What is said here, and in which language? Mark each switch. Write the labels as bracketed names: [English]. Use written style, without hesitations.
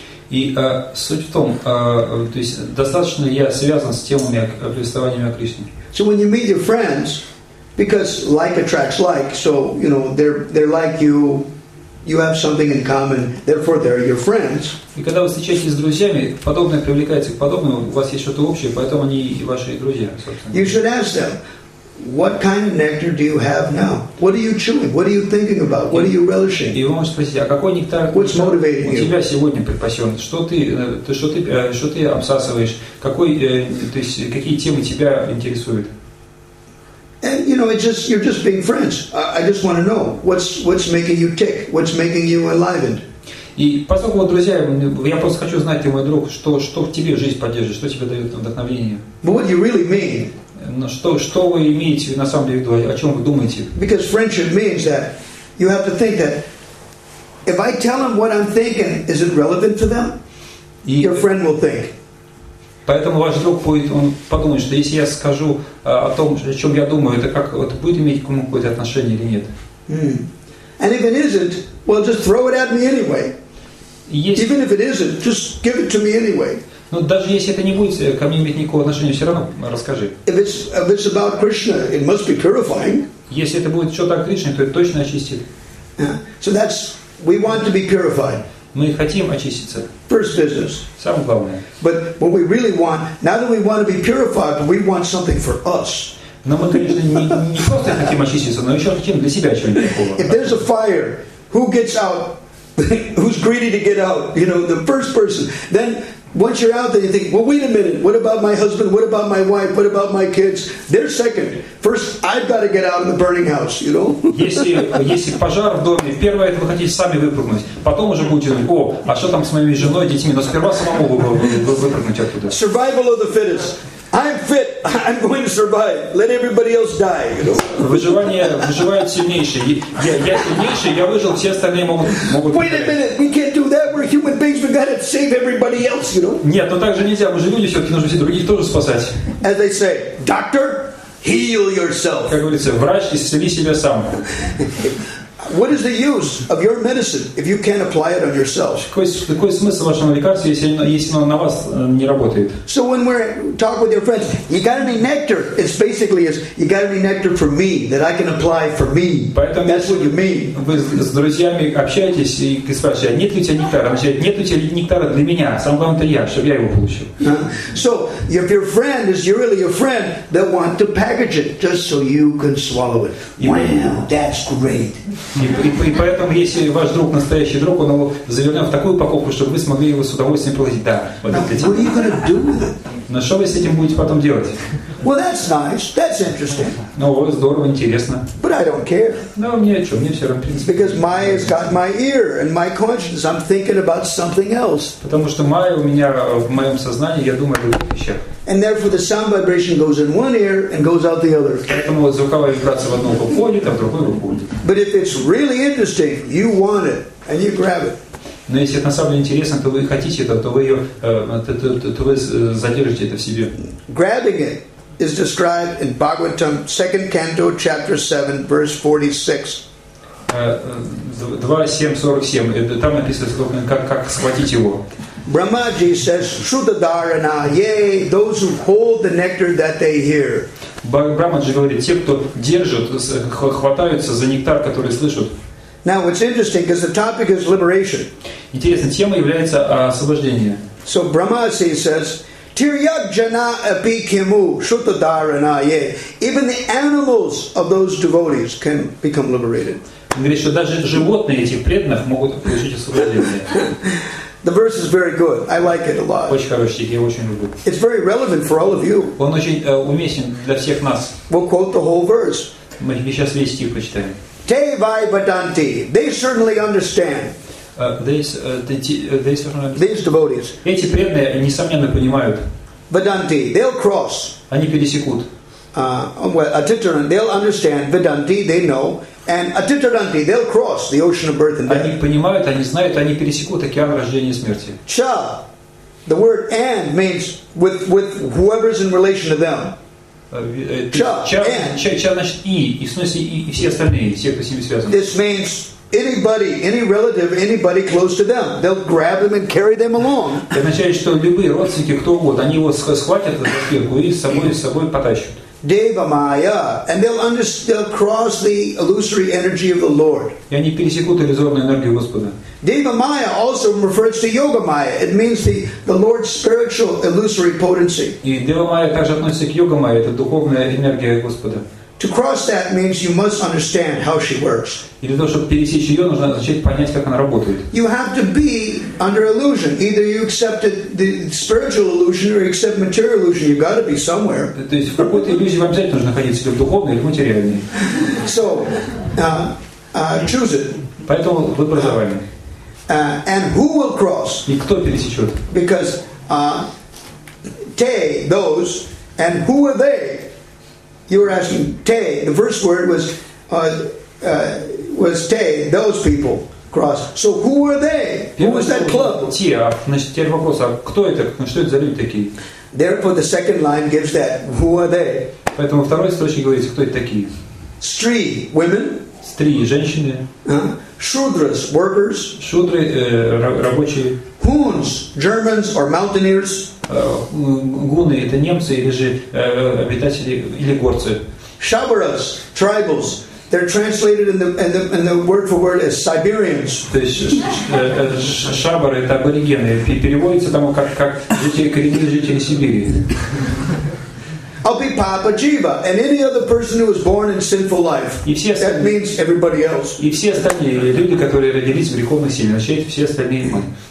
[Russian] И суть в том, то есть достаточно я связан с темами представлениями о Кришне. [English] So when you meet your friends, because like attracts like, so you know they're like you, you have something in common, therefore they're your friends. [Russian] И когда вы встречаетесь с друзьями, подобное привлекается к подобному, у вас есть что-то общее, поэтому они и ваши друзья, собственно. [English] You should ask them, what kind of nectar do you have now? What are you chewing? What are you thinking about? What are you relishing? [Russian] И вы можете спросить, а какой нектар [English] What's motivating [Russian] у тебя сегодня припасен? Что ты обсасываешь? Какой, то есть, какие темы тебя интересуют? [English] And you know, it's just you're just being friends. I just want to know what's making you tick, what's making you enlivened. [Russian] И поскольку вот, друзья, я просто хочу знать, мой друг, что в тебе жизнь поддерживает, что тебе дает вдохновение. [English] But what do you really mean? [Russian] Но что вы имеете на самом деле в виду, о чем вы думаете? [English] Because friendship means that you have to think that if I tell them what I'm thinking, is it relevant to them? [Russian] И [English] your friend will think. [Russian] Поэтому ваш друг будет, он подумает, что если я скажу о том, о чем я думаю, это как это будет иметь к нему какое-то отношение или нет? [English] And if it isn't, well, just throw it at me anyway. [Russian] Есть. [English] Even if it isn't, just give it to me anyway. [Russian] Но даже если это не будет ко мне иметь никакого отношения, все равно расскажи. [English] If it's about Krishna, it must be purifying. [Russian] Если это будет что-то о Кришне, то это точно очистит. [English] So that's we want to be purified. [Russian] Мы хотим очиститься. [English] First business. [Russian] Самое главное. [English] But what we really want, not that we want to be purified, but we want something for us. [Russian] Но мы, конечно, не просто хотим очиститься, но еще хотим для себя чего-нибудь такого. [English] If there's a fire, who gets out? Who's greedy to get out? You know, the first person. Then once you're out, then you think, well, wait a minute. What about my husband? What about my wife? What about my kids? They're second. First, I've got to get out of the burning house. You know. [Russian] Если пожар в доме, первое это вы хотите сами выпрыгнуть. Потом уже будете, о, а что там с моей женой, детьми? Но сперва самому выпрыгнуть оттуда. [English] Survival of the fittest. I'm fit. I'm going to survive. Let everybody else die. You know? [Russian] Выживает сильнейший. Я сильнейший. Я выжил. Все остальные могут. [English] Wait a minute. We can't do that. We're human beings. We gotta save everybody else. You know? [Russian] Нет, но так же нельзя. Мы же люди, все-таки нужно все других тоже спасать. [English] As they say, doctor, heal yourself. [Russian] Как говорится, врач, исцели себя сам. [English] What is the use of your medicine if you can't apply it on yourself? [Russian] Какой смысл вашего лекарства, если оно на вас не работает? [English] So when we talk with your friends, you got any nectar? It's basically is you got any nectar for me that I can apply for me? [Russian] Поэтому [English] that's what you mean. [Russian] Вы с друзьями общаетесь и спрашиваете, нет ли у тебя нектара? Он говорит, нет у тебя нектара для меня. Сам главное это я, чтобы я его получил. [English] So if your friend is really your friend, they want to package it just so you can swallow it. Wow, that's great. [Russian] И поэтому, если ваш друг настоящий друг, он его завернет в такую упаковку, чтобы вы смогли его с удовольствием проводить. Да, вот это дело. Но что вы с этим будете потом делать? [English] Well, that's nice. That's interesting. [Russian] Ну, здорово, интересно. [English] But I don't care. [Russian] Ну, мне что, мне все равно. [English] Because Maya has got my ear and my conscience. I'm thinking about something else. [Russian] Потому что Maya у меня в моем сознании, я думаю о других вещах. [English] And therefore, the sound vibration goes in one ear and goes out the other. [Russian] Поэтому звуковая вибрация в одну руку входит, а в другую руку уходит. [English] But if it's really interesting, you want it and you grab it. [Russian] Но если это на самом деле интересно, то вы хотите это, то вы задержите это в себе. [English] Grabbing it is described in Bhagavatam, second canto, chapter 7, verse 46. 2.7.47. [Russian] Там написано, как схватить его. [English] Brahmaji says, [Sanskrit] Shudadharana, yay, [English] those who hold the nectar that they hear. [Russian] Брахмаджи говорит, те, кто держат, хватаются за нектар, который слышат. [English] Now, it's interesting, because the topic is liberation. [Russian] Интересно, тема является освобождение. [English] So, Brahmaji says, [Sanskrit] Tiryagjana api kimu shutadharana ye. [English] Even the animals of those devotees can become liberated. [Russian] Он говорит, что даже животные этих преданных могут получить освобождение. [English] The verse is very good. I like it a lot. [Russian] Очень хороший стих, я очень люблю. [English] It's very relevant for all of you. [Russian] Он очень уместен для всех нас. [English] We'll quote the whole verse. [Russian] Мы сейчас весь стих прочитаем. [Sanskrit] Te vai badanti. [English] They certainly understand. These devotees. [Russian] Эти преданные несомненно понимают. [English] Vedanti, they'll cross. [Russian] Они пересекут. [English] Atitarandi, they'll understand. Vedanti, they know. And Atitarandi, they'll cross the ocean of birth and death. [Russian] Они понимают, они знают, они пересекут океан рождения и смерти. [English] Cha, the word and means with whoever's in relation to them. [Russian] Cha значит и в смысле и все остальные, все, кто с ними связан. [English] This means anybody, any relative, anybody close to them. They'll grab them and carry them along. [Russian] Это означает, что любые родственники, кто угодно, они его схватят за шкирку и с собой потащат. [English] Devamaya, and they'll cross the illusory energy of the Lord. [Russian] И они пересекут иллюзорную энергию Господа. [English] Devamaya also refers to Yogamaya. It means the Lord's spiritual illusory potency. [Russian] И Devamaya также относится к Йогамайе, это духовная энергия Господа. [English] To cross that means you must understand how she works. [Russian] И для того, чтобы пересечь ее, нужно начать понять, как она работает. [English] You have to be under illusion. Either you accepted the spiritual illusion or you accept material illusion. You've got to be somewhere. [Russian] То есть в какой-то иллюзии вам обязательно нужно находиться, или в духовной, или в материальной. [English] So, choose it. [Russian] Поэтому выбор за вами. [English] And who will cross? [Russian] И кто пересечет? [English] Because they, those, and who are they? You were asking te. The first word was te. Those people cross. So who are they? Who was that club? [Russian] Те. Значит, теперь вопрос: а кто это? Что это за люди такие? [English] Therefore, the second line gives that. Who are they? [Russian] Поэтому второй строчник говорит, кто это такие? [English] Stri, women. [Russian] Стри, женщины. [English] Shudras, workers. [Russian] Шудры, рабочие. [English] Huns, Germans or mountaineers. [Russian] Гуны – это немцы или же обитатели или горцы. [English] Shabaras, tribals. They're translated in the word for word as Siberians. [Russian] То есть шабары – это аборигены. Переводится там как жители Сибири. [English] I'll be Papa Jiva and any other person who was born in sinful life. That means everybody else. [Russian] И все остальные люди, которые родились в греховной семье, значит все остальные мы.